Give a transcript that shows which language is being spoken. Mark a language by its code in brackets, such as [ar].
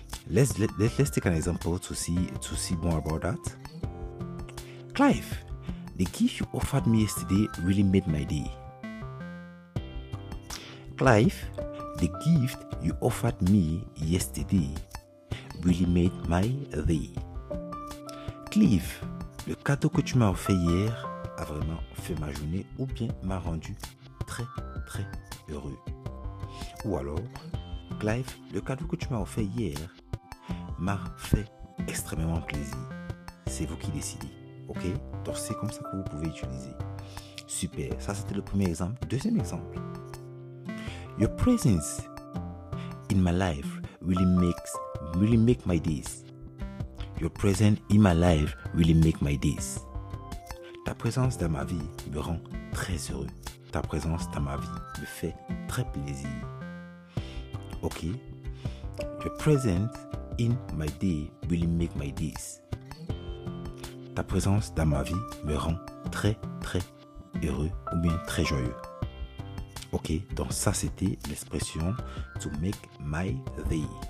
[en] Let's take an example to see more about that. Clive, the gift you offered me yesterday really made my day. Clive, the gift you offered me yesterday really made my day. [fr] Clive, le cadeau que tu m'as offert hier a vraiment fait ma journée ou bien m'a rendu très très heureux. Ou alors, Clive, le cadeau que tu m'as offert hier m'a fait extrêmement plaisir. C'est vous qui décidez. Ok? Donc c'est comme ça que vous pouvez utiliser. Super. Ça, c'était le premier exemple. Deuxième exemple. [en] Your presence in my life really make my days. Your presence in my life really make my days. [fr] Ta présence dans ma vie me rend très heureux. Ta présence dans ma vie me fait très plaisir. Ok? [en] Your presence in my day really make my days. [fr] Ta présence dans ma vie me rend très très heureux ou bien très joyeux. Ok, donc ça c'était l'expression [en] to make my day.